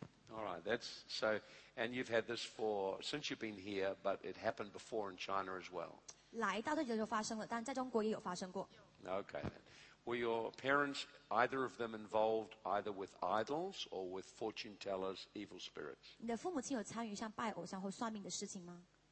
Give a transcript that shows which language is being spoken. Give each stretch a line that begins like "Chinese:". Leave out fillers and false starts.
English: All right, that's so, and you've had this for, since you've been here, but it happened before in China as well.
Chinese: 来到这里就发生了,但在中国也有发生过。
English: Okay, then. Were your parents, either of them, involved either with idols or with fortune tellers, evil spirits?
Chinese: 你的父母亲有参与像拜偶像或算命的事情吗?